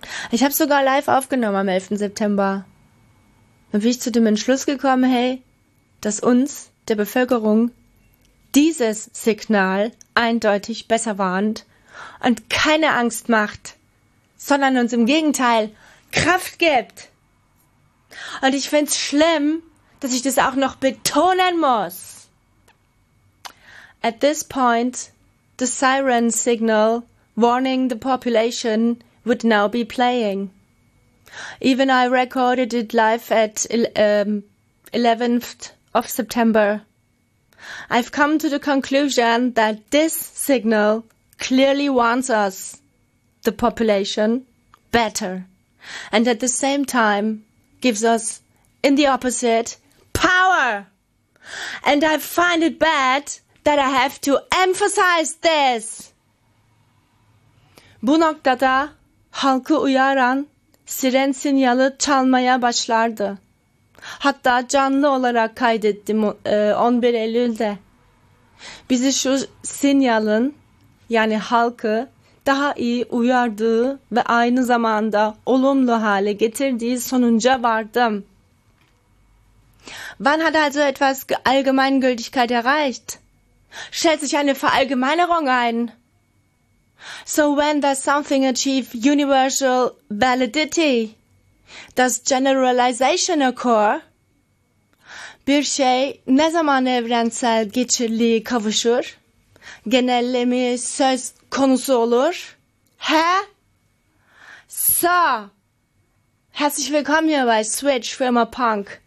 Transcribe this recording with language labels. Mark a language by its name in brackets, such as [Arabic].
[German] Ich habe sogar live aufgenommen am 11. September. Dann bin ich zu dem Entschluss gekommen, hey, dass uns, der Bevölkerung, dieses Signal eindeutig besser warnt und keine Angst macht, sondern uns im Gegenteil Kraft gibt. Und ich find's schlimm, dass ich das auch noch betonen muss. [English] At this point, the siren signal warning the population would now be playing. Even I recorded it live at 11th of September. I've come to the conclusion that this signal clearly warns us, the population, better. And at the same time gives us, in the opposite, power. And I find it bad that I have to emphasize this. [Turkish] Bu noktada halkı uyaran siren sinyali çalmaya başlardı. Hatta canlı olarak kaydettim 11 Eylül'de. Bizi şu sinyalin, yani halkı, daha iyi uyardığı ve aynı zamanda olumlu hale getirdiği sonuca vardım. [German] Wann hat also etwas Allgemeingültigkeit erreicht? Stellt sich eine Verallgemeinerung ein? [English] So when does something achieve universal validity? Does generalization occur? [Turkish] Bir şey ne zaman evrensel geçerliliğe kavuşur? Genelleme söz konusu olur? [German] Hä? So! Herzlich willkommen hier bei Switch Firma Punk.